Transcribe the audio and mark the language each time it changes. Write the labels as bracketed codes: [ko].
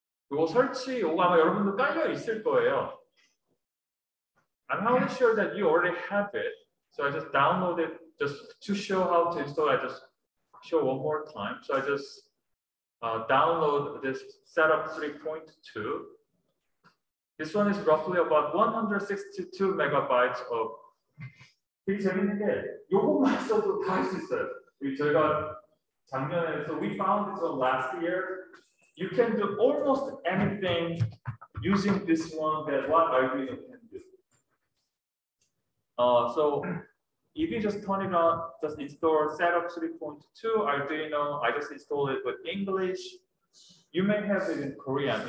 [ko] 이거 설치 이거 아마 여러분도 깔려 있을 거예요. [en] I'm not really sure that you already have it. So I just downloaded just to show how to install. I just show one more time. So I just download this setup 3.2. This one is roughly about 162 megabytes of. [ko] 되게 재밌는 게 요것만 써도 다 할 수 있어요. 저희가 작년에 [en] so we found it so last year. You can do almost anything using this one that what Arduino can do. So if you just turn it on, just install setup 3.2 Arduino. I just installed it with English. You may have it in Korean.